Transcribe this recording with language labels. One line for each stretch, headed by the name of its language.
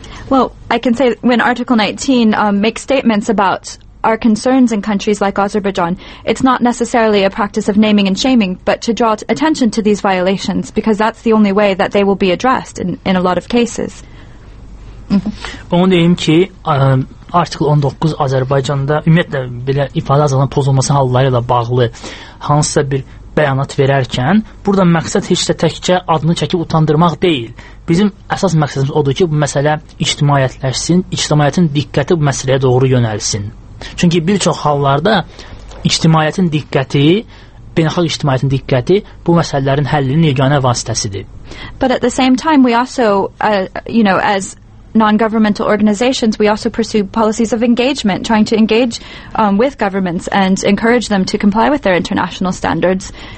English: Well, I can say when Article 19 makes statements about our concerns in countries like Azerbaijan, it's not necessarily a practice of naming and shaming, but to draw attention to these violations, because that's the only way that they will be addressed in a lot of cases.
Azerbaijani: Onu deyim ki, artikel 19 Azərbaycanda ümumiyyətlə belə ifadə azalan pozulması halları ilə bağlı hansısa bir bəyanat verərkən, burada məqsəd heç də təkcə adını çəkib utandırmaq deyil. Bizim əsas məqsədimiz odur ki, bu məsələ ictimaiyyətləşsin, ictimaiyyətin diqqəti bu məsələyə doğru yönəlsin. Çünki bir çox hallarda ictimaiyyətin diqqəti, beynəlxalq ictimaiyyətin diqqəti bu məsələlərin həllinin yeganə vasitəsidir.
English: But at the same time, we also, you know, as non-governmental organizations, we also pursue policies of engagement, trying to engage with governments and encourage them to comply with their international standards.